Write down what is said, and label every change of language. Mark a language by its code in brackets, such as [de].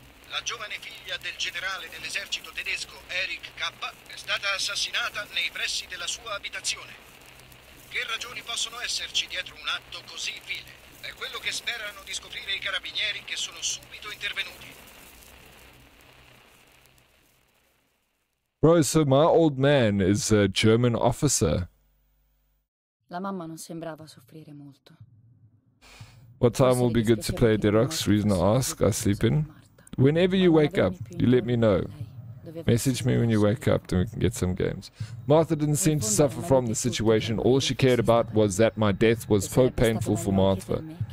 [it] La giovane figlia del generale dell'esercito tedesco, Eric K, è stata assassinata nei pressi della sua abitazione. Che ragioni possono esserci dietro un atto così vile? È quello che sperano di scoprire i carabinieri che sono subito intervenuti. [en] Bro, so my old man is a German officer. [it] La mamma non sembrava soffrire molto. [en] What time will be good to play Dead Oryx? Reason I ask, I sleep in. Whenever you wake up, you let me know. Message me when you wake up, then we can get some games. Martha didn't seem to suffer from the situation. All she cared about was that my death was so painful for Martha.